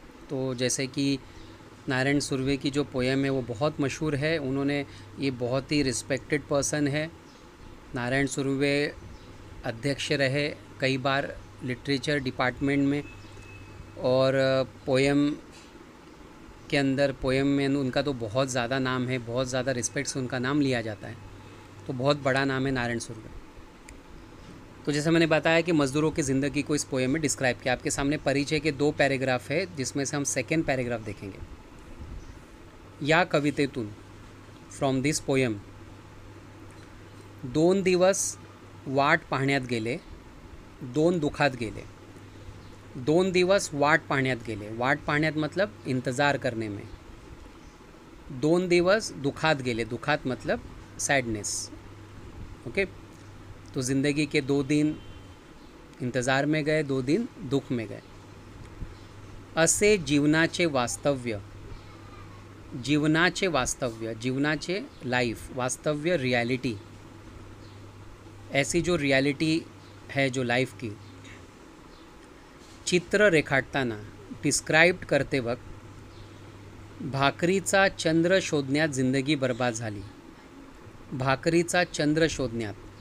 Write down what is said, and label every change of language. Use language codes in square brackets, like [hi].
[hi] तो जैसे कि नारायण सुर्वे की जो पोएम है वो बहुत मशहूर है, उन्होंने, ये बहुत ही रिस्पेक्टेड पर्सन है, नारायण सुर्वे अध्यक्ष रहे कई बार लिटरेचर डिपार्टमेंट में, और पोएम के अंदर, पोएम में उनका तो बहुत ज़्यादा नाम है, बहुत ज़्यादा रिस्पेक्ट से उनका नाम लिया जाता है। तो बहुत बड़ा नाम है नारायण सुर्वे। तो जैसे मैंने बताया कि मज़दूरों की ज़िंदगी को इस पोएम में डिस्क्राइब किया। आपके सामने परिचय के दो पैराग्राफ है, जिसमें से हम सेकेंड पैराग्राफ देखेंगे। [mr] या कवितेतून [en] from this poem, [mr] दोन दिवस वाट पाहण्यात गेले, दोन दुखात गेले। दोन दिवस वाट पाहण्यात गेले, वाट पाहण्यात [hi] मतलब इंतज़ार करने में। [mr] दोन दिवस दुखात गेले, दुखात [hi] मतलब सैडनेस। ओके, तो ज़िंदगी के दो दिन इंतज़ार में गए, दो दिन दुख में गए। [mr] असे जीवनाचे वास्तव्य, जीवनाचे वास्तव्य, जीवनाचे लाइफ, वास्तव्य रियलिटी, [hi] ऐसी जो रियलिटी है जो लाइफ की, चित्र [mr] रेखाटताना, [hi] डिस्क्राइब्ड करते वक्त, [mr] भाकरीचा चंद्र शोधण्यात जिंदगी बर्बाद झाली, भाकरीचा चंद्र शोधण्यात।